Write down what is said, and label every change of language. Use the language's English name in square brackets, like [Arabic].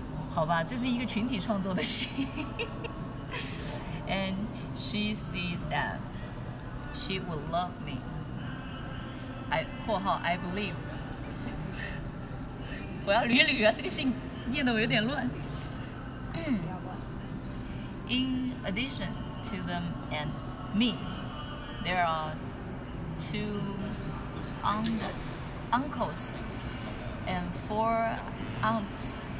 [Chinese] 好吧，这是一个群体创作的戏。 [English] And she sees that she will love me. I 括号 I believe. [Chinese] 我要捋一捋啊，这个信念得我有点乱。 [English] In addition to them and me, there are two uncles and four aunts.